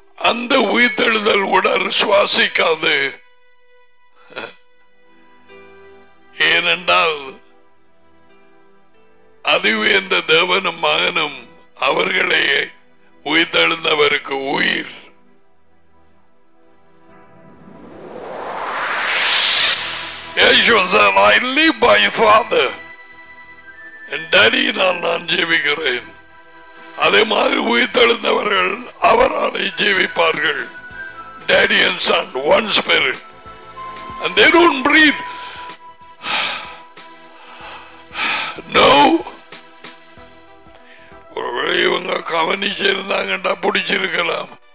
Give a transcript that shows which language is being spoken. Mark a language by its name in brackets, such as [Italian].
[Tamil] அந்த உயிர்த்தெழுதல் உடல் சுவாசிக்காது. ஏனென்றால் அதிவேந்த தேவனும் மகனும் அவர்களே உயிர்த்தெழுந்தவருக்கு உயிர். [English] Said, I live by father and daddy [Tamil] நான் ஜீவிக்கிறேன். அதே மாதிரி உயிர்த்தெழுந்தவர்கள் அவரை ஜீவிப்பார்கள். [English] Daddy and son, one spirit. And they don't breathe. No. [Tamil] ஒருவேளை இவங்க கவனிச்சிருந்தாங்கடா பிடிச்சிருக்கலாம்.